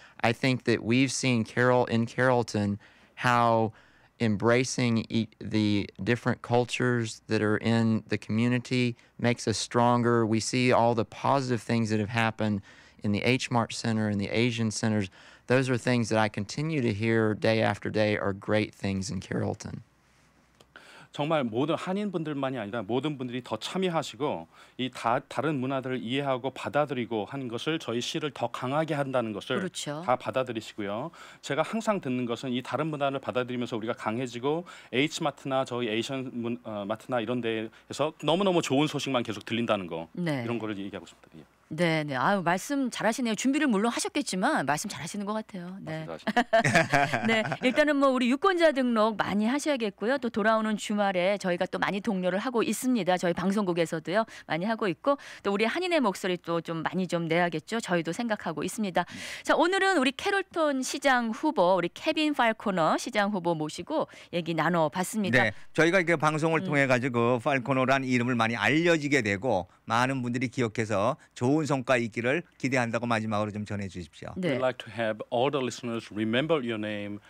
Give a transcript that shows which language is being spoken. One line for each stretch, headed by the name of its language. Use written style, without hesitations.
English: I think that we've seen in Carrollton how embracing the different cultures that are in the community makes us stronger. We see all the positive things that have happened in the H-Mart Center and the Asian Centers. Those are things that I continue to hear day after day are great things in Carrollton.
Korean: 정말 모든 한인분들만이 아니라 모든 분들이 더 참여하시고 이 다른 문화들을 이해하고 받아들이고 하는 것을 저희 시를 더 강하게 한다는 것을 그렇죠. 다 받아들이시고요. 제가 항상 듣는 것은 이 다른 문화를 받아들이면서 우리가 강해지고 H마트나 저희 에이션 마트나 이런 데에서 너무너무 좋은 소식만 계속 들린다는 거 네. 이런 거를 얘기하고 싶다. 예. 네, 네. 아유, 말씀 잘하시네요. 준비를 물론 하셨겠지만 말씀 잘하시는 것 같아요. 네. 네. 일단은 뭐 우리 유권자 등록 많이 하셔야겠고요. 또 돌아오는 주말에 저희가 또 많이 독려를 하고 있습니다. 저희 방송국에서도요 많이 하고 있고 또 우리 한인의 목소리 또 좀 많이 좀 내야겠죠. 저희도 생각하고 있습니다. 자, 오늘은 우리 캐롤톤 시장 후보 우리 케빈 팔코너 시장 후보 모시고 얘기 나눠봤습니다. 네. 저희가 이렇게 방송을 통해 가지고 팔코너란 이름을 많이 알려지게 되고 많은 분들이 기억해서 좋은 성과 있기를 기대한다고 마지막으로 좀 전해 주십시오. 네.
English: We'd like to have all the listeners remember your name